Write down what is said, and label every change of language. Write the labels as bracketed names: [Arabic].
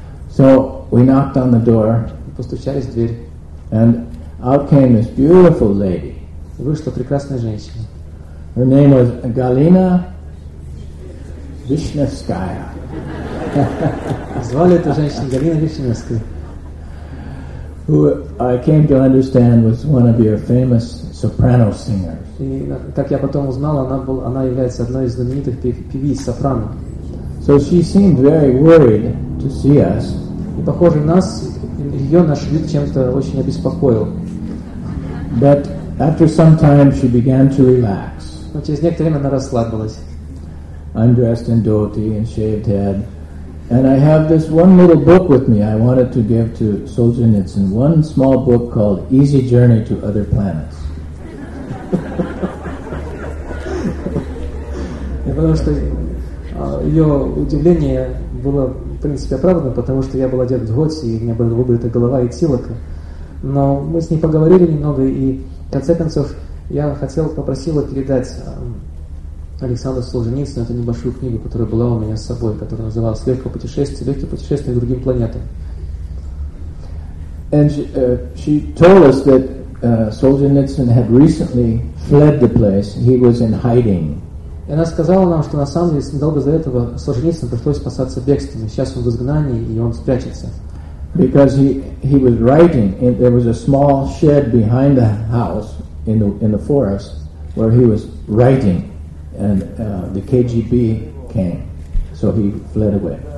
[English] So we knocked on the door. [Russian] Постучались в дверь. [English] And out came this beautiful lady. [Russian] Вышла прекрасная женщина. [English] Her name was Галина Вишневская. [Russian] Звали эту женщину Галина Вишневская. [English] Who I came to understand was one of your famous soprano singers. [Russian] И как я потом узнал, она является одной из знаменитых певиц сопрано. [English] So she seemed very worried to see us. [Russian] И похоже, нас ее наш вид чем-то очень обеспокоил. [English] But after some time, she began to relax. [Russian] Но через некоторое время она расслабилась. [English] Undressed in dhoti and shaved head. And I have this one little book with me I wanted to give to Solzhenitsyn, one small book called Easy Journey to Other Planets. [Russian] Потому что ее удивление было, в принципе, оправдано, потому что я был одет в дхоти, и у меня была выбрита голова и тилака. Но мы с ней поговорили немного, и в конце концов я хотел попросила передать Александр Солженицын, это небольшую книгу, которая была у меня с собой, которая называлась «Легкое путешествие к другим планетам». [English] And she told us that Solzhenitsyn had recently fled the place. He was in hiding. [Russian] И она сказала нам, что на самом деле недолго до этого Солженицын пришлось спасаться бегством. Сейчас он в изгнании, и он спрячется. [English] Because he was writing, and there was a small shed behind the house in the forest where he was writing. And the KGB came, so he fled away.